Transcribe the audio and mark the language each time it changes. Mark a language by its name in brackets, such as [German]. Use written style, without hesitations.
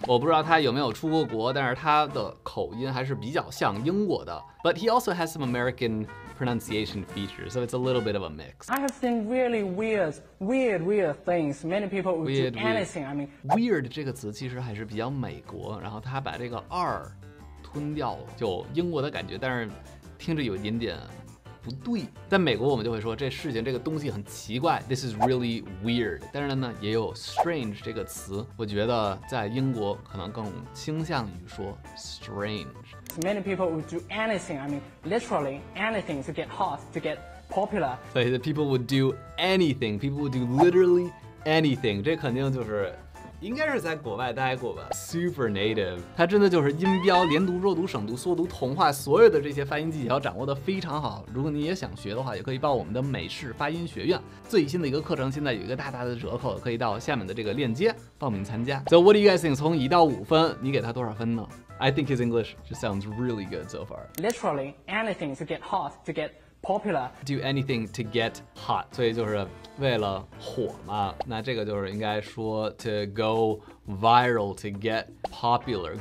[Chinese] 我不知道他有没有出过国，但是他的口音还是比较像英国的。 [English] But he also has some American... pronunciation features, so it's a little bit of a mix. I have seen really weird things. Many people would weird, do anything. Weird. I mean, [Chinese] weird 这个词其实还是比较美国，然后他把这个二吞掉，就英国的感觉，但是听着有一点点不对。在美国我们就会说这事情这个东西很奇怪， [English] This is really weird. [Chinese] 但是呢也有 strange 这个词，我觉得在英国可能更倾向于说 strange. [English] Many people would do anything, I mean literally anything to get hot, to get popular. So the people would do anything, people would do literally anything. [Chinese] 这肯定就是应该是在国外待过吧。 [English] Super native， [Chinese] 他真的就是音标连读弱读省读缩读同化所有的这些发音技巧掌握得非常好。如果你也想学的话，也可以报我们的美式发音学院最新的一个课程，现在有一个大大的折扣，可以到下面的这个链接报名参加。 [English] So what do you guys think， [Chinese] 从一到五分你给他多少分呢？ [English] I think his English just sounds really good so far. Literally anything to get hot, to get popular. Do anything to get hot. [Chinese] 所以就是为了火嘛。那这个就是应该说 [English] to go viral, to get popular.